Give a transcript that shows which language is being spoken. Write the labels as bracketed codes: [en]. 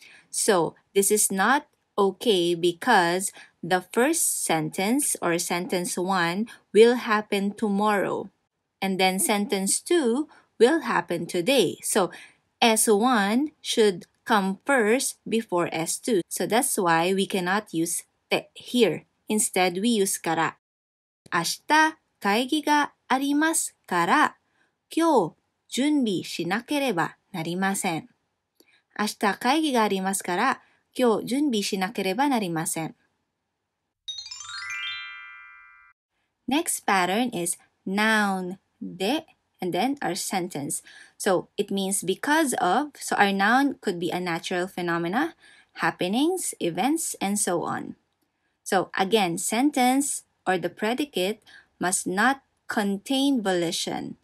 [en] So this is not okay because the first sentence or sentence one will happen tomorrow. And then sentence two will happen today. So S1 should come first before S2. So that's why we cannot use te here. Instead, we use から。 [ja] 明日会議がありますから、今日準備しなければなりません。明日会議がありますから、今日準備しなければなりません。 [en] Next pattern is noun で、and then our sentence. So it means because of, so our noun could be a natural phenomena, happenings, events, and so on. So again, sentence or the predicate must not contain volition.